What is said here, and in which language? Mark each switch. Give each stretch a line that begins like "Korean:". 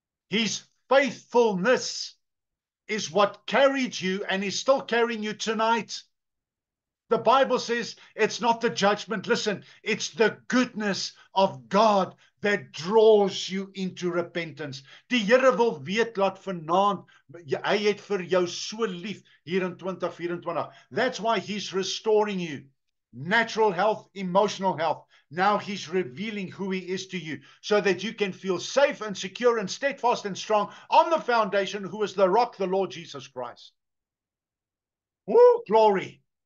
English: His faithfulness is what carried you and is still carrying you tonight. The Bible says it's not the judgment. Listen, it's the goodness of God that draws you into repentance.
Afrikaans: Die Here wil weet laat vanaand, hy het vir jou so lief hier in 2024.
English: That's why he's restoring you. Natural health, emotional health. Now he's revealing who he is to you so that you can feel safe and secure and steadfast and strong on the foundation who is the rock, the Lord Jesus Christ. Woo, glory.